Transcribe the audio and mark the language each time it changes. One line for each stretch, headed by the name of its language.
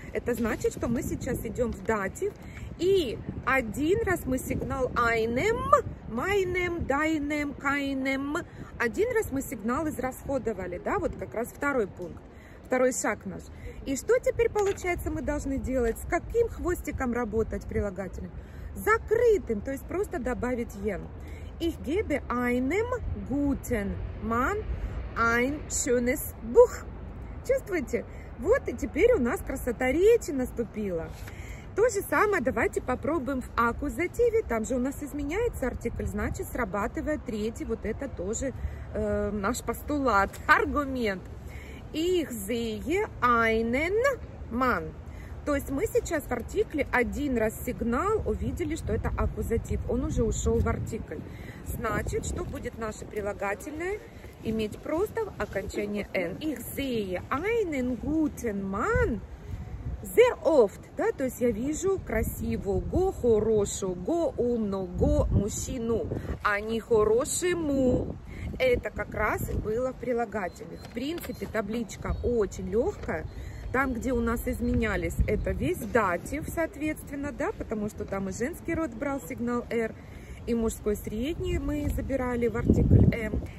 Russian: Это значит, что мы сейчас идем в датив. И один раз мы сигнал
German: einem, meinem, deinem, keinem.
Russian: Один раз мы сигнал израсходовали, да, вот как раз второй пункт, второй шаг наш. И что теперь получается мы должны делать? С каким хвостиком работать прилагательным? Закрытым, то есть просто добавить ен.
German: Ich gebe einem guten Mann ein schönes Buch.
Russian: Чувствуете? Вот и теперь у нас красота речи наступила. То же самое давайте попробуем в аккузативе. Там же у нас изменяется артикль, значит, срабатывает третий. Вот это тоже наш постулат, аргумент.
German: Ich sehe einen Mann.
Russian: То есть мы сейчас в артикле один раз сигнал увидели, что это аккузатив. Он уже ушел в артикль. Значит, что будет наше прилагательное? Иметь просто окончание N.
German: Ich sehe einen guten Mann. Sehr oft,
Russian: да, то есть я вижу красивого, хорошего, умного мужчину, а не хорошему. Это как раз и было в прилагательных. В принципе, табличка очень легкая. Там, где у нас изменялись, это весь датив, соответственно, да, потому что там и женский род брал сигнал R, и мужской средний мы забирали в артикль M.